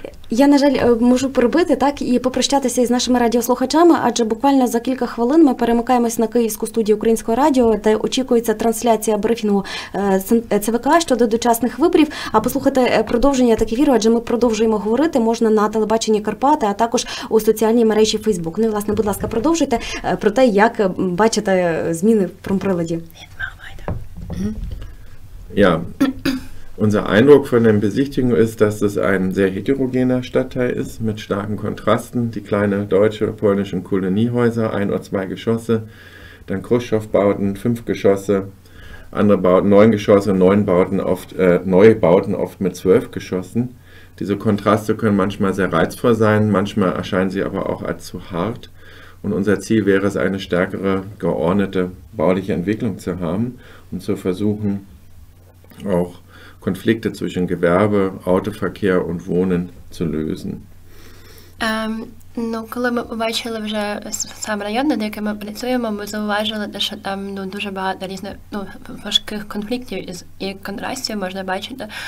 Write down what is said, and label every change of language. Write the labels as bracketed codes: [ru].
[uk] Я, на жаль, можу перебити, так, і попрощатися із нашими радіослухачами, адже буквально за кілька хвилин ми перемикаємось на Київську студію Українського радіо, де очікується трансляція брифінгу ЦВК щодо дочасних виборів, а послухати продовження так ефіру, адже ми продовжуємо говорити, можна на телебаченні Карпати, а також у соціальній мережі Фейсбук. Ну, власне, будь ласка, продовжуйте про те, як бачите зміни в промприладі. [de] Unser Eindruck von den Besichtigungen ist, dass es ein sehr heterogener Stadtteil ist, mit starken Kontrasten. Die kleine deutsche oder polnischen Koloniehäuser, ein oder zwei Geschosse, dann Khrushchev-Bauten, fünf Geschosse, andere Bauten, neun Geschosse, neue Bauten oft mit 12 Geschossen. Diese Kontraste können manchmal sehr reizvoll sein, manchmal erscheinen sie aber auch als zu hart. Und unser Ziel wäre es, eine stärkere, geordnete bauliche Entwicklung zu haben und zu versuchen, auch Konflikte zwischen Gewerbe, Autoverkehr und Wohnen zu lösen. [uk] Ну, коли ми побачили вже сам район, над яким ми працюємо, ми зауважили, що там, ну, дуже багато різних, ну, важких конфліктів і контрастів можна бачити.